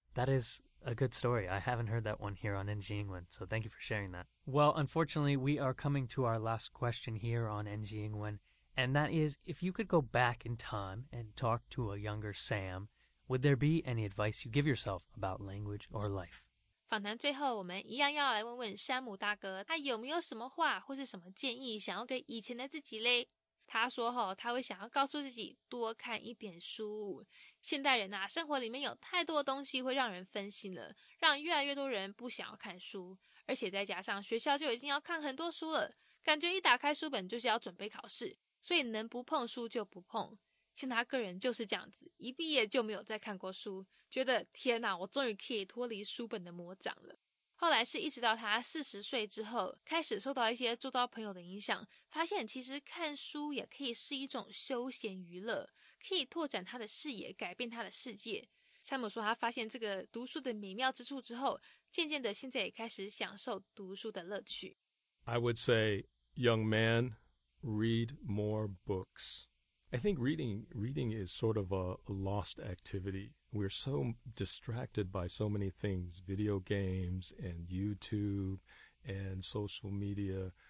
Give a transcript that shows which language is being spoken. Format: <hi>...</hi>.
<en>That is a good story. I haven't heard that one here on NG Yingwen, so thank you for sharing that. Well, unfortunately, we are coming to our last question here on NG Yingwen. And that is, if you could go back in time and talk to a younger Sam, would there be any advice you give yourself about language or life?</en> <zh>访谈最后，我们一样要来问问山姆大哥，他有没有什么话或是什么建议想要给以前的自己嘞？他说吼，他会想要告诉自己多看一点书。现代人啊，生活里面有太多的东西会让人分心了，让越来越多人不想要看书，而且再加上学校就已经要看很多书了，感觉一打开书本就是要准备考试。所以能不碰书就不碰，像他个人就是这样子，一毕业就没有再看过书，觉得天哪，我终于可以脱离书本的魔掌了。后来是一直到他40岁之后，开始受到一些周遭朋友的影响，发现其实看书也可以是一种休闲娱乐，可以拓展他的视野，改变他的世界。山姆说他发现这个读书的美妙之处之后，渐渐的现在也开始享受读书的乐趣。</zh> <en>I would say, young man,read more books. I think reading is sort of a lost activity. We're so distracted by so many things, video games and YouTube and social media.</en>